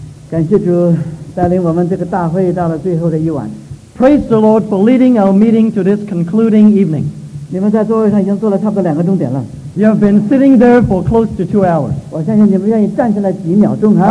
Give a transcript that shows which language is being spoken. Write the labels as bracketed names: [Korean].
[Chinese] 感谢主带领我们这个大会到了最后的一晚。 [English] Praise the Lord for leading our meeting to this concluding evening. [Chinese] 你们在座位上已经坐了差不多两个钟点了。 [English] You have been sitting there for close to 2 hours. [Chinese] 我相信你们愿意站起来几秒钟啊。